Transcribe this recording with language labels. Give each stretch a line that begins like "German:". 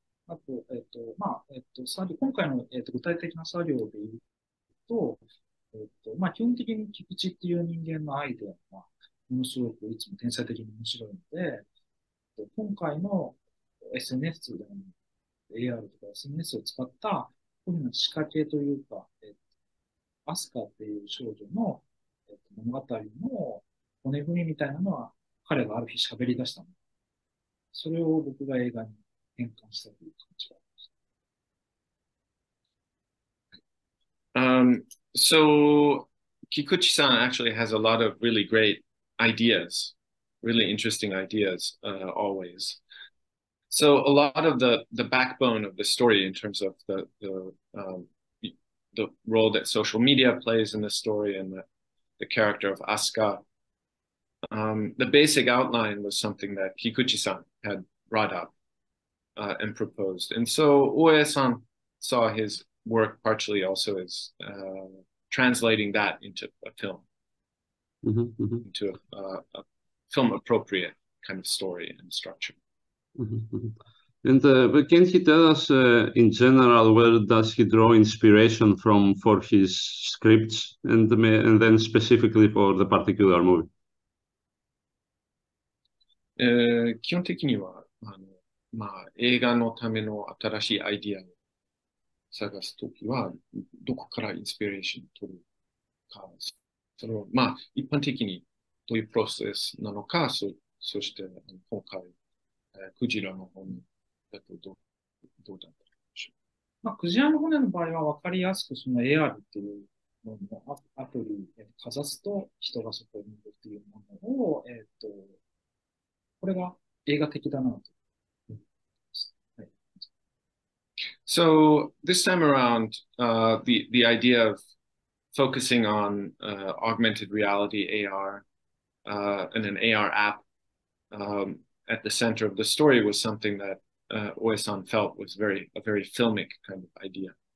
Japanese: あと、まあ、作業、今回の、具体的な作業で言うと、まあ、基本的に菊池っていう人間のアイデアが、ものすごくいつも天才的に面白いので、今回の SNS でも、AR とか SNS を使った、こういうの仕掛けというか、アスカっていう少女の、物語の骨組みみたいなのは、彼がある日喋り出したの。それを僕が映画に変換したという感じがあります。
English: So Kikuchi-san actually has a lot of really great ideas, really interesting ideas always. So a lot of the backbone of the story in terms of the role that social media plays in the story and the character of Asuka, the basic outline was something that Kikuchi-san had brought up and proposed. And so Oe-san saw his work partially also as translating that into a film, into a film appropriate kind of story and structure. And can he tell us in general, where does he draw inspiration from for his scripts and then specifically for the particular movie?
Japanese: 基本的にはまあ、映画のための新しいアイディアを探すときは、どこからインスピレーションを取るか、それを、まあ、一般的にどういうプロセスなのか、そして今回、クジラの骨だとどうだったでしょう。まあ、クジラの骨の場合は分かりやすく、その AR っていうものをアプリにかざすと、人がそこにいるっていうものを、これが映画的だなと。
English: So this time around, the idea of focusing on augmented reality AR and an AR app at the center of the story was something that Oe-san felt was a very filmic kind of idea.